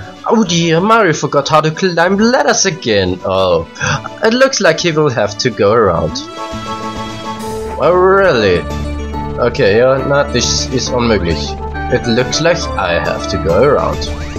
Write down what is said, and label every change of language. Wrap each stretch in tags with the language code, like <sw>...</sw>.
<en>Oh dear, Mario forgot how to climb ladders again. Oh, it looks like he will have to go around. Oh, really?</en> <de>Okay, ja, na, das ist unmöglich.</de> <en>It looks like I have to go around.</en>